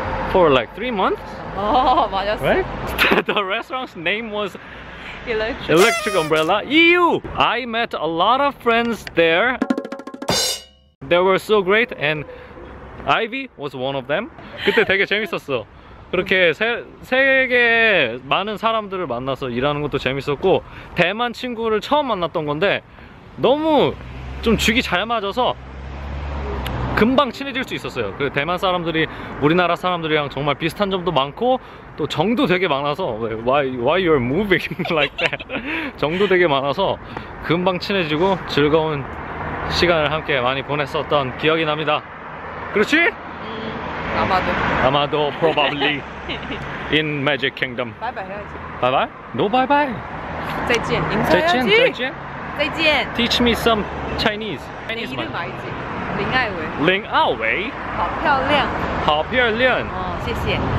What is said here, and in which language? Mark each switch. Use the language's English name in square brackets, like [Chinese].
[English] For like 3 months. [Korean] Oh, 맞았어. [English] Right? The restaurant's name was Electric Umbrella. EU! I met a lot of friends there. They were so great, and Ivy was one of them. [Korean] 그때 되게 재밌었어. 그렇게 세계 많은 사람들을 만나서 일하는 것도 재밌었고 대만 친구를 처음 만났던 건데 너무 좀 죽이 잘 맞아서 금방 친해질 수 있었어요. 그 대만 사람들이 우리나라 사람들이랑 정말 비슷한 점도 많고 또 정도 되게 많아서 [English] why you're moving like that [Korean] 정도 되게 많아서 금방 친해지고 즐거운 시간을 함께 많이 보냈었던 기억이 납니다. 그렇지? 아마도 [English] probably in Magic Kingdom. [Korean] 바이바이 해야지. 바이바이? [English] No, [Korean] 바이바이. [Chinese] 再见, [Korean] 인사해야지. [Chinese] 再见. [English] Teach me some Chinese. [Korean] 내 이름 알지? 林艾维. [Chinese] 林艾维? 好漂亮.谢谢.